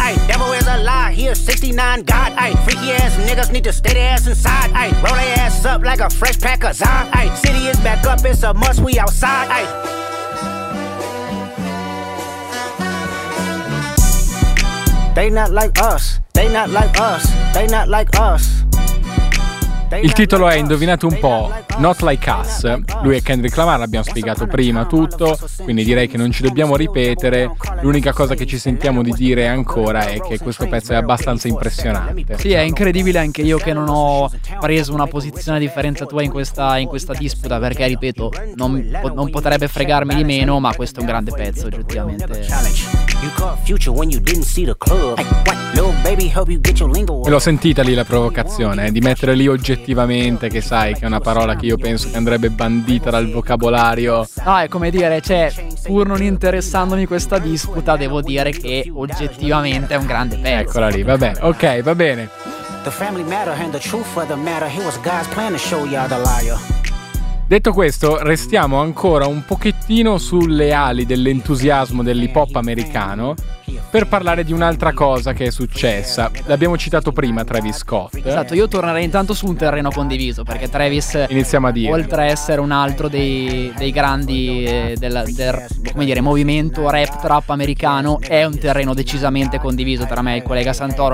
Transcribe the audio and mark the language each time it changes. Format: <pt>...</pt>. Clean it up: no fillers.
<en>Ay, devil is a lie, he a 69 god. Ay, freaky ass niggas need to stay their ass inside. Ay, roll their ass up like a fresh pack of Zah. Ay, city is back up, it's a must, we outside. Ay. They not like us, they not like us, they not like us.</en> <it>Il titolo è, indovinate un po', Not Like Us. Lui è Kendrick Lamar, l'abbiamo spiegato prima tutto, quindi direi che non ci dobbiamo ripetere. L'unica cosa che ci sentiamo di dire ancora è che questo pezzo è abbastanza impressionante. Sì, è incredibile, anche io che non ho preso una posizione a differenza tua in questa disputa, perché ripeto, non potrebbe fregarmi di meno, ma questo è un grande pezzo oggettivamente. E l'ho sentita lì la provocazione, di mettere lì oggettivamente, che sai che è una parola che io penso che andrebbe bandita dal vocabolario. No, è come dire, cioè, pur non interessandomi questa disputa, devo dire che oggettivamente è un grande pezzo. Eccola lì, va bene, ok, va bene.</it> <en>The family matter and the truth of the matter, he was God's plan to show y'all the liar.</en> <it>Detto questo, restiamo ancora un pochettino sulle ali dell'entusiasmo dell'hip hop americano per parlare di un'altra cosa che è successa. L'abbiamo citato prima, Travis Scott. Esatto, io tornerei intanto su un terreno condiviso, perché Travis, iniziamo a dire, oltre a essere un altro dei grandi del movimento rap trap americano, è un terreno decisamente condiviso tra me e il collega Santoro.</it>